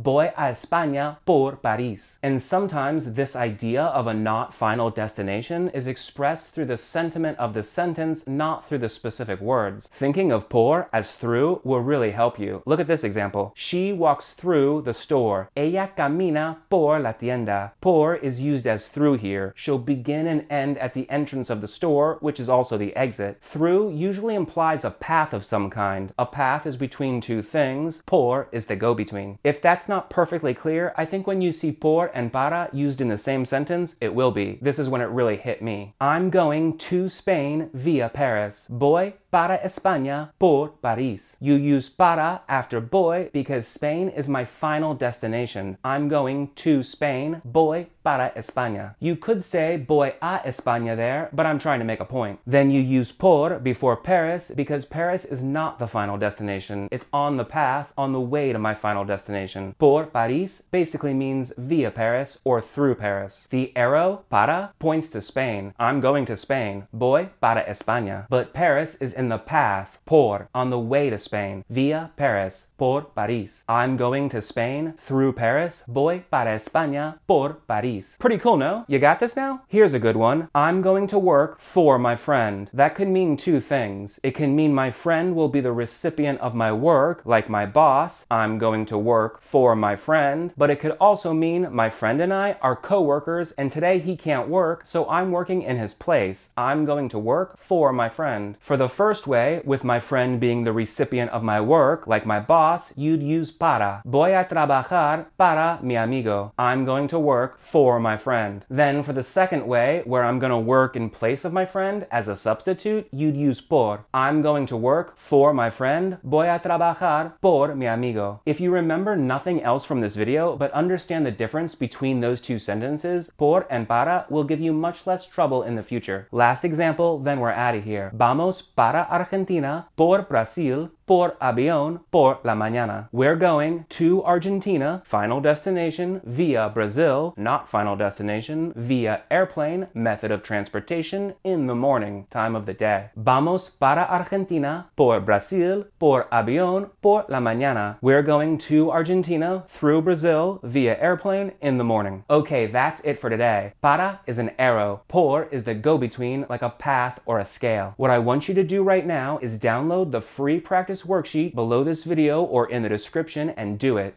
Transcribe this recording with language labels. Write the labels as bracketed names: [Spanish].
[Spanish] Voy a España por París. And sometimes this idea of a not final destination is expressed through the sentiment of the sentence, not through the specific words. [English] Thinking of por as through will really help you. Look at this example. She walks through the store. [Spanish] Ella camina por la tienda. [English] Por is used as through here. She'll begin and end at the entrance of the store, which is also the exit. Through usually implies a path of some kind. A path is between two things. Por is the go-between. If that's not perfectly clear, I think when you see por and para used in the same sentence, it will be. This is when it really hit me. I'm going to Spain via Paris. [Spanish] Voy para España por París. [English] You use para after voy because Spain is my final destination. I'm going to Spain. [Spanish] Voy para España. [English] You could say [Spanish] voy a España [English] there, but I'm trying to make a point. Then you use por before Paris because Paris is not the final destination. It's on the path, on the way to my final destination. [Spanish] Por París [English] basically means via Paris or through Paris. The arrow, para, points to Spain. I'm going to Spain. [Spanish] Voy para España. [English] But Paris is in the path, por, on the way to Spain, via Paris, [Spanish] por París. [English] I'm going to Spain through Paris. [Spanish] Voy para España por París. [English] Pretty cool, no? You got this now? Here's a good one. I'm going to work for my friend. That can mean two things. It can mean my friend will be the recipient of my work, like my boss. I'm going to work for my friend. But it could also mean my friend and I are co-workers, and today he can't work, so I'm working in his place. I'm going to work for my friend. For the first way, with my friend being the recipient of my work, like my boss, you'd use para. [Spanish] Voy a trabajar para mi amigo. [English] I'm going to work for my friend. Then for the second way, where I'm going to work in place of my friend as a substitute, you'd use por. I'm going to work for my friend. [Spanish] Voy a trabajar por mi amigo. [English] If you remember nothing else from this video, but understand the difference between those two sentences, por and para will give you much less trouble in the future. Last example, then we're out of here. [Spanish] Vamos para Argentina, por Brasil, por avión, por la mañana. [English] We're going to Argentina, final destination, via Brazil, not final destination, via airplane, method of transportation, in the morning, time of the day. [Spanish] Vamos para Argentina, por Brasil, por avión, por la mañana. [English] We're going to Argentina, through Brazil, via airplane, in the morning. Okay, that's it for today. Para is an arrow. Por is the go-between, like a path or a scale. What I want you to do right now is download the free practice worksheet below this video or in the description and do it.